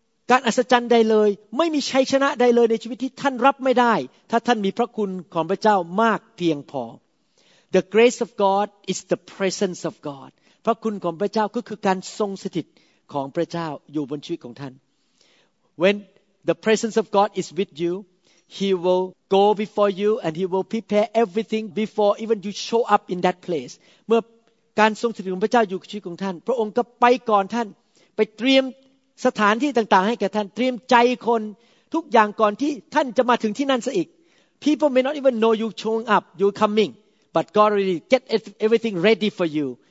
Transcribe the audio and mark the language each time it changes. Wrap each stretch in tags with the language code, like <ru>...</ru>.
<th>การอัศจรรย์ใดเลยไม่มีชัยชนะใดเลยในชีวิตที่ท่านรับไม่ได้ถ้าท่านมีพระคุณของพระเจ้ามากเพียงพอ</th> <en>The grace of God</en> <th>is the presence of God พระคุณของพระเจ้าก็คือการทรงสถิตของพระเจ้าอยู่บนชีวิตของท่าน</th> <en>When the presence of God is with you, He will go before you and He will prepare everything before even you show up in that place.</en> <th>เมื่อการทรงสถิตของพระเจ้าอยู่ในชีวิตของท่านพระองค์ก็ไปก่อนท่านไปเตรียมสถานที่ต่างๆให้แก่ท่านเตรียมใจคนทุกอย่างก่อนที่ท่านจะมาถึงที่นั่นซะอีก</th> <en>People may not even know you showing up, you coming, but God already get everything ready for you.</en>